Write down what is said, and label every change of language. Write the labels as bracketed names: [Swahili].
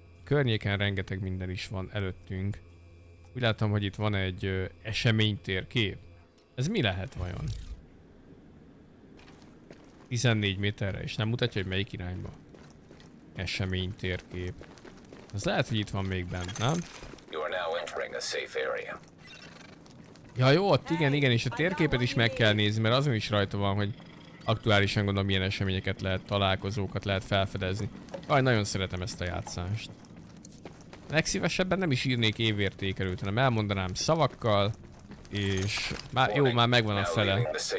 [Hungarian] Környéken rengeteg minden is van előttünk. Úgy látom, hogy itt van egy eseménytérkép. Ez mi lehet vajon? 14 méterre, és nem mutatja, hogy melyik irányba. Esemény térkép. Ez lehet, hogy itt van még bent, nem? [English] You are now entering a safe area. [Hungarian] Ja jó, ott igen, és a térképet is meg kell nézni, mert azon is rajta van, hogy aktuálisan gondolom, milyen eseményeket lehet, találkozókat lehet felfedezni. Aj, nagyon szeretem ezt a játszást. Legszívesebben nem is írnék évértékelőt, hanem elmondanám szavakkal, és már jó, már megvan a fele.